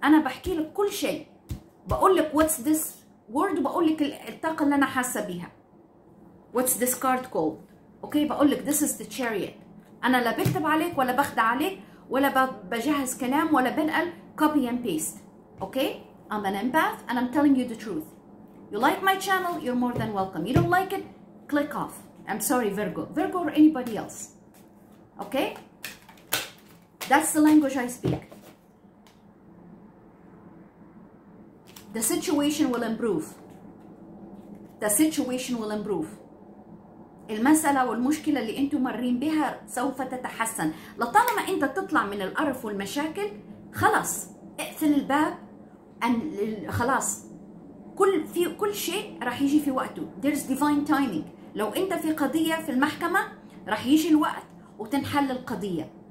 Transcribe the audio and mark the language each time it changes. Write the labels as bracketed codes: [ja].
[ar] أنا بحكي لك كل شيء. بقول لك [en] what's this word [ar] وبقول لك الطاقة اللي أنا حاسة بيها. [en] What's this card called? Okay [ar] بقول لك [en] this is the chariot. [ar] أنا لا بكتب عليك ولا بخدع عليك ولا بجهز كلام ولا بنقل copy and paste. [en] Okay? I'm an empath and I'm telling you the truth. You like my channel? You're more than welcome. You don't like it? Click off. I'm sorry Virgo. Virgo or anybody else. Okay? That's the language I speak. The situation will improve. The situation will improve. [ar] المسألة والمشكلة اللي أنتوا مرين بها سوف تتحسن. لطالما أنت تطلع من القرف والمشاكل خلاص اقفل الباب خلاص كل شيء راح يجي في وقته. [en] There's divine timing. [ar] لو أنت في قضية في المحكمة راح يجي الوقت وتنحل القضية.